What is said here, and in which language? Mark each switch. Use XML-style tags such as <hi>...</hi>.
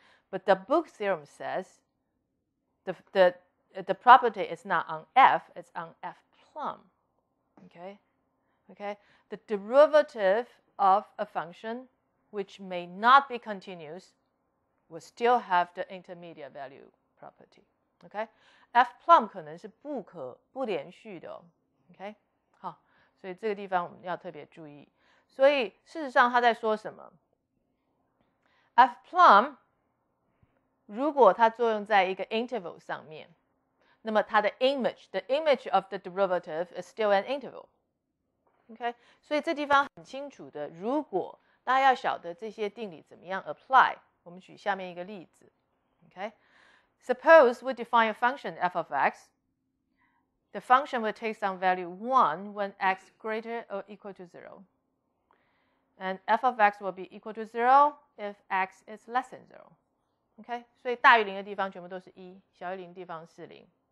<en>But the Dabbogh theorem says the property is not on f, it's on f prime. Okay? The derivative of a function which may not be continuous will still have the intermediate value property.</en> <zh>Okay? F prime 可能是不连续的哦。Okay? 好，所以这个地方我们要特别注意。所以事实上他在说什么？F prime 如果它作用在一个 interval 上面，那么它的 image,</zh> <en>the image of the derivative is still an interval.</en> <zh>Okay? 所以这地方很清楚的，如果大家要晓得这些定理怎么样 apply，我们举下面一个例子，Okay?</zh> <en>Suppose we define a function f of x. The function will take some value 1 when x greater or equal to 0. And f of x will be equal to 0 if x is less than 0.</en> <zh>OK, 所以大于0的地方全部都是一，小于0的地方是0。</zh>